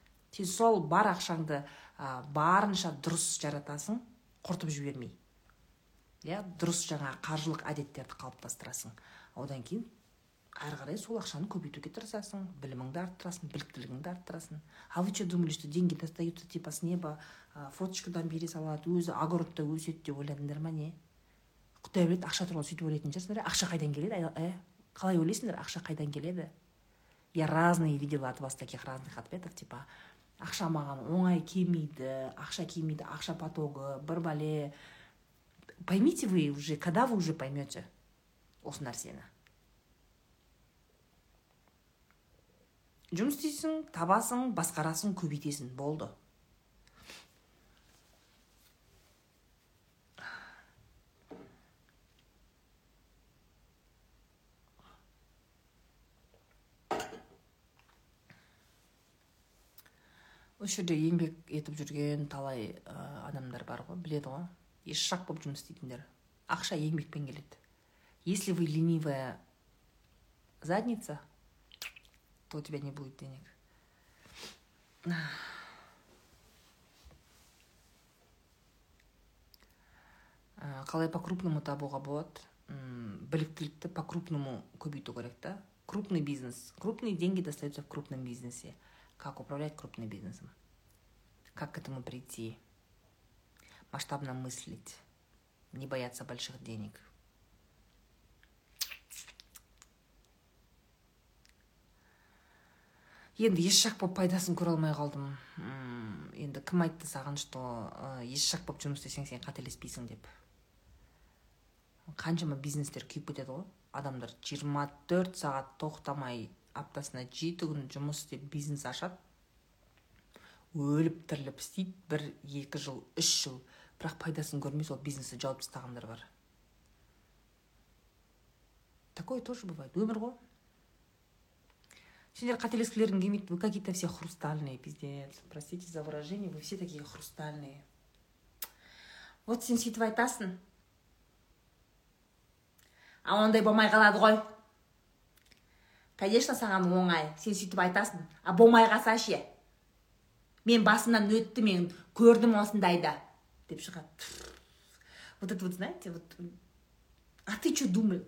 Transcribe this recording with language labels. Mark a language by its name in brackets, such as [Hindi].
[Kazakh] Сен сол бар ақшаңды барынша дұрыс жаратасың, құртып жібермей. иә, дұрыс жаңа қаржылық әдеттерді қалыптастырасың. Одан кейін әрі қарай сол ақшаны көбейтуге тырысасың, біліміңді арттырасың, біліктілігіңді арттырасың. [Russian] А вы что думали, что деньги достаются типа с неба, [Kazakh] фоточкадан бере салады, өзі огородта өседі деп ойладыңдар ма не? Құдай біледі, ақша туралы сөйтіп ойлайтын шығарсыңдар, ақша қайдан келеді? Қалай ойлайсыңдар, ақша қайдан келеді? [Russian] Я разные видела от вас таких разных ответов, типа [Kazakh] ақша маған оңай келмейді, ақша келмейді, ақша потогы, бір бәле. [Russian] Поймите вы уже, когда вы уже поймете [Kazakh] осы нәрсені. Жұмыс істейсің, табасың, басқарасың, көбейтесің, болды. Осы жерде еңбек етіп жүрген талай адамдар бар ғой, біледі ғой, еш шақ болып жұмыс істейтіндер. Ақша еңбекпен келеді. [Russian] Если вы ленивая задница, то у тебя не будет денег. [Kazakh] Қалай по-крупному табуға болады? Біліктілікті по-крупному көбейту керек та. [Russian] Крупный бизнес. Крупные деньги достаются в крупном бизнесе. Как управлять крупным бизнесом? Как к этому прийти? Масштабно мыслить. Не бояться больших денег. [Kazakh] Енді еш шақ боп пайдасын көре алмай қалдым. Енді кім айтты саған, [Russian] что [Kazakh] еш шақ боп жұмыс істесең сен қателеспейсің деп. Қаншама бизнестер күйіп кетеді ғой. Адамдар 24 сағат тоқтамай аптасына 7 күн жұмыс істеп бизнес ашады. Өліп тіріліп істейді 1-2 жыл, 3 жыл. Бірақ пайдасын көрмей сол бизнесті жауып тастағандар бар. [Russian] Такое тоже бывает. [Kazakh] Өмір ғой. Сендер қателескілерің келмейді, [Russian] вы какие-то все хрустальные, пиздец. Простите за выражение, вы все такие хрустальные. [Kazakh] Вот сен сөйтіп айтасың. А ондай болмай қалады ғой. [Russian] Конечно, [Kazakh] саған оңай. Сен сөйтіп айтасың. А болмай қалса ше. Мен басымнан өтті, мен көрдім осындайда. Деп шығады. [Russian] Вот это вот, знаете, вот... А ты что думаешь?